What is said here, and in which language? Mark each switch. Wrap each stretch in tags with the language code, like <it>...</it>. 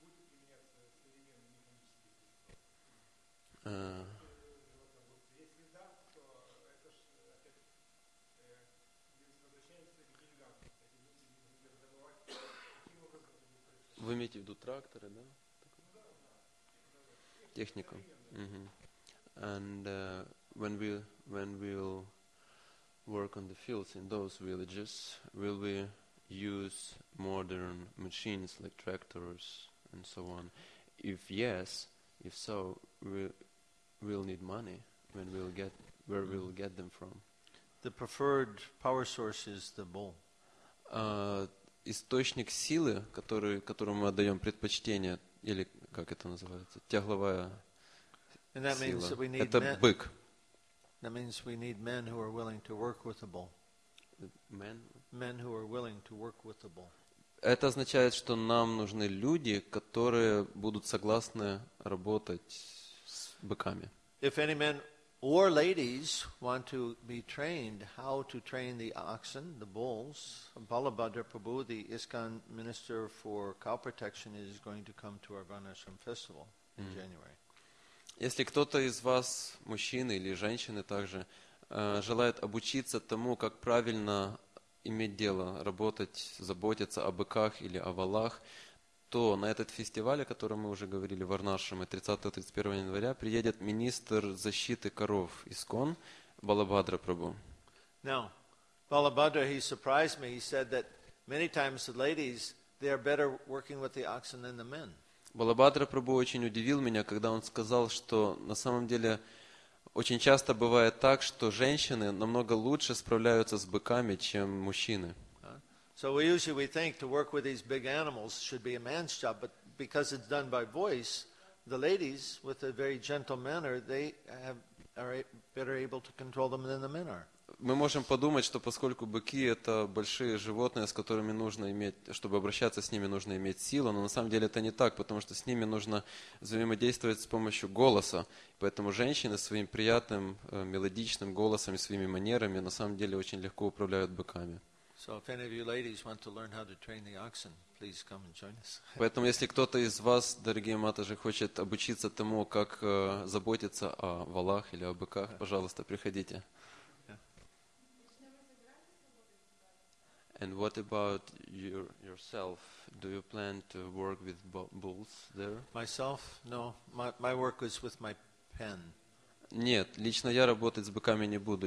<ru>Если да, то это же Вы имеете в виду тракторы, да? Технику.</ru> <en>And when we'll work on the fields in those villages, will we use modern machines like tractors and so on? If yes, if so, we'll need money. When we'll get, where we'll get them from? The preferred power source is the bull.</en> <ru>Источник силы, который, которому мы отдаем предпочтение, или как это называется, тягловая сила, это бык.</ru> <en>That means we need men who are willing to work with the bull. Men? Men who are willing to work with the bull.</en> <ru>Это означает, что нам нужны люди, которые будут согласны работать с быками.</ru> <en>If any men or ladies want to be trained how to train the oxen, the bulls, Balabhadra Prabhu, the ISKCON minister for cow protection, is going to come to our Varnashram festival in January.</en> <ru>Если кто-то из вас, мужчины или женщины также, желает обучиться тому, как правильно иметь дело, работать, заботиться о быках или о валах, то на этот фестиваль, о котором мы уже говорили, в Варнашраме, 30-31 января, приедет министр защиты коров ИСКОН Балабхадра Прабху.</ru> <en>Now, Balabhadra, he surprised me. He said that many times the ladies, they are better working with the oxen than the men.</en> <ru>Балабхадра Прабху очень удивил меня, когда он сказал, что на самом деле очень часто бывает так, что женщины намного лучше справляются с быками, чем мужчины.</ru> <en>So we usually we think to work with these big animals should be a man's job, but because it's done by voice, the ladies with a very gentle manner, they have, are better able to control them than the men are.</en> <ru>Мы можем подумать, что поскольку быки это большие животные, с которыми нужно иметь, чтобы обращаться с ними, нужно иметь силу, но на самом деле это не так, потому что с ними нужно взаимодействовать с помощью голоса. Поэтому женщины своим приятным, мелодичным голосом и своими манерами на самом деле очень легко управляют быками.</ru> <en>So if any of you ladies want to learn how to train the oxen, please come and join us.</en> <ru>Поэтому если кто-то из вас, дорогие матажи, хочет обучиться тому, как заботиться о валах или о быках, пожалуйста, приходите.</ru> <en>And what about yourself? Do you plan to work with bulls there? Myself? No. My work is with my pen.</en> <ru>Нет, лично я работать с быками не буду.</ru>